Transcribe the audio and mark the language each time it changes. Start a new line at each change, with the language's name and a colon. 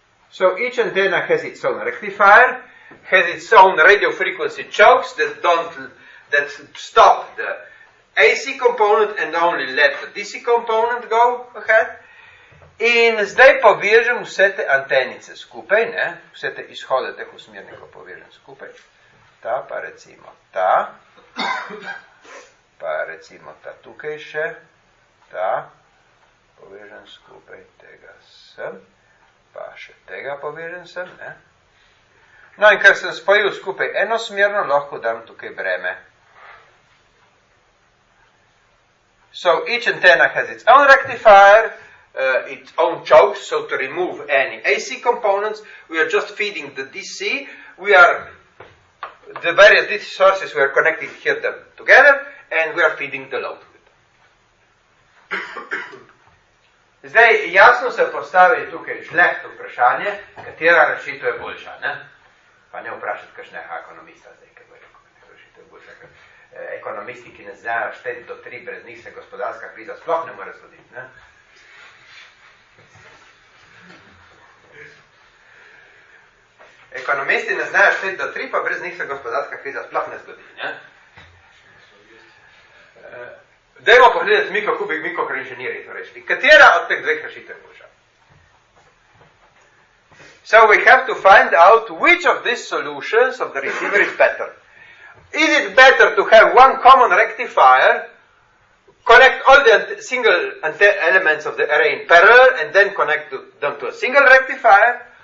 English: So each antenna has its own rectifier, has its own radio frequency chokes that don't that stop the AC component and only let the DC component go ahead.
Slovenian: In zdaj povežem vse te antenice skupaj, ne? Vse te izhode teh usmernikov povežem skupaj. Ta pa recimo ta, pa recimo ta tukaj še, ta povežem skupaj tega sem, pa še tega povežem sem, ne? No in ker sem spojil skupaj enosmerno, lahko dam tukaj breme.
English: So each antenna has its own rectifier, its own chokes, so to remove any AC components, we are just feeding the DC, we are, the various DC sources, we are connecting here them together, and we are feeding the load with them.
Slovenian: Zdaj, jasno se postavi tukaj žlehto vprašanje, katera rešitev je boljša, ne? Pa ne vprašati kakšnega ekonomista zdaj, kaj bo rekel, rešitev je boljša, ker ekonomisti, ki ne znajo šteti do tri, brez njih se gospodarska kriza sploh ne more zgoditi, ne? Ekonomisti ne znajo šteti do tri, pa brez njih se gospodarska kriza sploh ne zgodi. Ne? Dajmo pogledati mikrokubik, mikroinženiri to rešili. Katera od teh dveh rešitev boljša?
English: So we have to find out which of these solutions of the receiver is better. Is it better to have one common rectifier, connect all the single elements of the array in parallel and then connect them to a single rectifier?